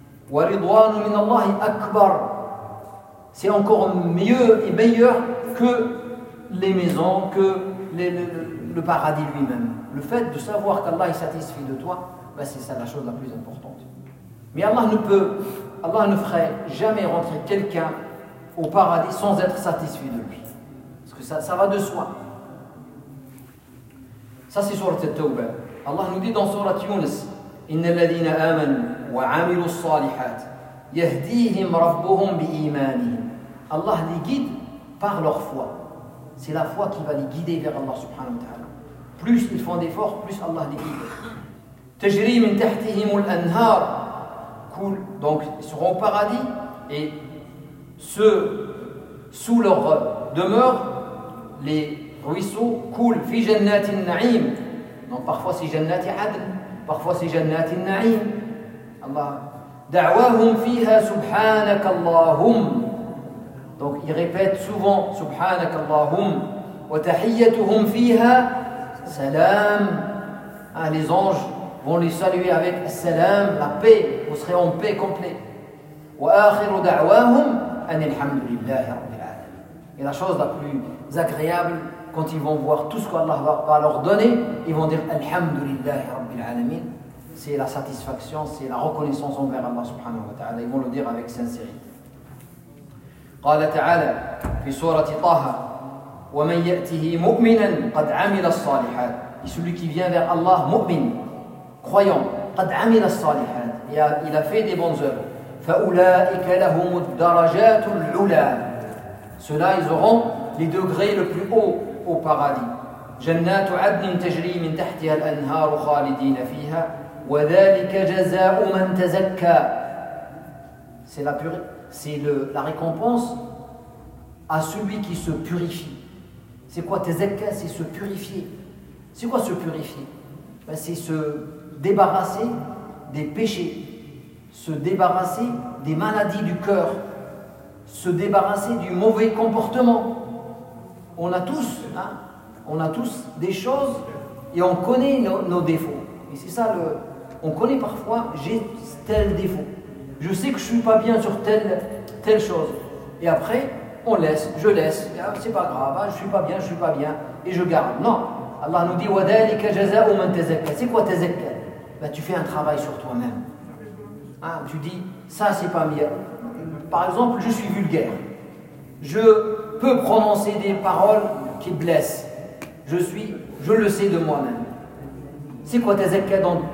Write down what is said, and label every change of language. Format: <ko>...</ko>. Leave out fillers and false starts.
<ar>Wa ridwanun min Allah akbar.</ar> <fr>C'est encore mieux et meilleur que les maisons, que le paradis lui-même. Le fait de savoir qu'Allah est satisfait de toi, ben c'est ça la chose la plus importante. Mais Allah ne ferait jamais rentrer quelqu'un au paradis sans être satisfait de lui. Parce que ça va de soi. Ça c'est sur le Tawba. Allah nous dit dans surat Yunus,</fr> <ar>إِنَّ الَّذِينَ آمَنُوا وَعَمِلُوا الصَّالِحَاتِ يَهْدِيهِمْ رَبُّهُمْ بِإِيمَانِهِمْ.</ar> <fr>Allah les guide par leur foi. C'est la foi qui va les guider vers Allah subhanahu wa ta'ala. Plus ils font d'efforts, plus Allah les guide.</fr> <ar>تَجْرِي مِنْ تَحْتِهِمُ الْأَنْهَارِ. Cool.</ar> <fr>Donc ils seront au paradis et sous leur demeure, les ruisseaux coulent.</fr> <ar>فِي جَنَّاتِ النَّعِيمِ.</ar> <fr>Donc parfois c'est جَنَّاتِ عَدْنِ. Parfois c'est جَنَّاتِ النَّعِيمِ.</fr> <ar>Allah. دَعْوَاهُمْ فِيهَا سُبْحَانَكَ اللَّهُمْ.</ar> <fr>Donc ils répètent souvent</fr> <ar>سُبْحَانَكَ اللَّهُمْ وَتَحِيَّتُهُمْ فِيهَا سَلَامْ.</ar> <fr>Ah, les anges vont les saluer avec السلام, la paix, vous serez en paix complète.</fr> <ar>وَآخِرُ دَعْوَاهُمْ أَنِ الْحَمْدُ لِلَّهِ رَبِّ الْعَالَمِينَ.</ar> <fr>Et la chose la plus agréable, quand ils vont voir tout ce qu'Allah va leur donner, ils vont dire</fr> <ar>الْحَمْدُ لِلَّهِ رَبِّ الْعَالَمِينَ.</ar> <fr>C'est la satisfaction, c'est la reconnaissance envers Allah subhanahu wa ta'ala. Ils vont le dire avec sincérité.</fr> <ar>قال تعالى في سورة طه ومن يأته مؤمنا قد عمل الصالحات.</ar> <fr>Et celui qui vient vers Allah, mu'min, croyant,</fr> <ar>قد عمل الصالحات,</ar> <fr>il a fait des bonnes œuvres.</fr> <ar>فأولئك لهم الدرجات العلى.</ar> <fr>Ceux-là, ils auront les degrés le plus haut au paradis.</fr> <ar>جنات عدن تجري من تحتها الأنهار خالدين فيها. وَذَلِكَ جَزَاءُ مَنْ تَزَكَّى.</ar> <fr>C'est la purée, c'est la récompense à celui qui se purifie. C'est quoi تَزَكَّى? C'est se purifier. C'est quoi se purifier? Ben, c'est se débarrasser des péchés, se débarrasser des maladies du cœur, se débarrasser du mauvais comportement. On a tous, hein, on a tous des choses et on connaît nos défauts. Et c'est ça le... On connaît parfois, j'ai tel défaut. Je sais que je ne suis pas bien sur telle chose. Et après, on laisse, je laisse. Ah, c'est pas grave, je ne suis pas bien, je ne suis pas bien. Et je garde. Non. Allah nous dit,</fr> <ar>وَذَلِكَ جَزَاءُ مَنْ تَزَكَّى.</ar> <fr>C'est quoi تَزَكَّى? Ben, tu fais un travail sur toi-même. Hein, tu dis, ça, c'est pas bien. Par exemple, je suis vulgaire. Je peux prononcer des paroles qui blessent. Je le sais de moi-même. C'est quoi تَزَكَّى donc?</fr>